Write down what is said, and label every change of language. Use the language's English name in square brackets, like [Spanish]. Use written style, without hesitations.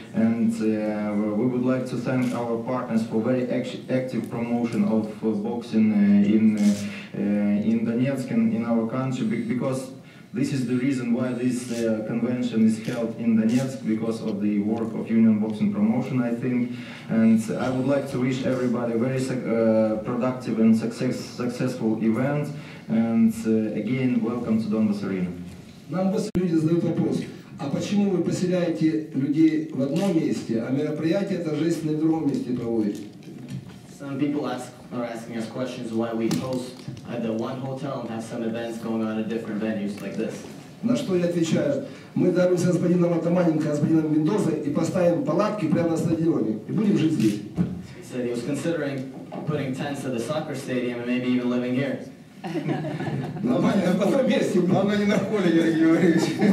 [English] And we would like to thank our partners for very active promotion of boxing in Donetsk and in our country, because this is the reason why this convention is held in Donetsk, because of the work of Union Boxing Promotion, I think. And I would like to wish everybody a very productive and successful event. And again, welcome to Donbass Arena. [Russian] Нам бы люди задают вопрос, а почему вы поселяете людей в одном месте, а мероприятия торжественные в другом месте проводите? [English] Some people are asking us questions why we host at the one hotel and have some events going on at different venues like this. [Russian] На что я отвечаю, мы договоримся с господином Атаманенко, с господином Мендозой и поставим палатки прямо на стадионе и будем жить здесь. [English] He said he was considering putting tents at the soccer stadium and maybe even living here. [Russian] Главное не на поле, Юрий Юрьевич.